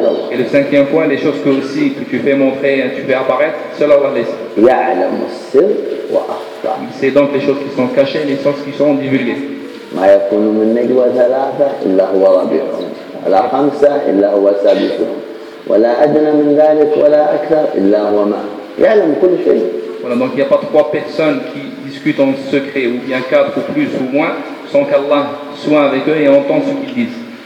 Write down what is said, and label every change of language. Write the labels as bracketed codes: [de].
[fr] Et le cinquième point, les choses que tu fais montrer, tu fais apparaître, seul Allah les sait. C'est donc les choses qui sont cachées, les choses qui sont divulguées. [ar] ما يكون من نجوى ثلاثة إلا هو رابعهم. لا خمسة إلا هو سادسهم، ولا أدنى من ذلك ولا أكثر إلا هو معه، يعلم كل شيء. [fr] Voilà, donc il n'y a pas trois personnes qui discutent en secret, ou bien quatre ou plus ou moins, sans qu'Allah soit avec eux et entend ce qu'ils disent.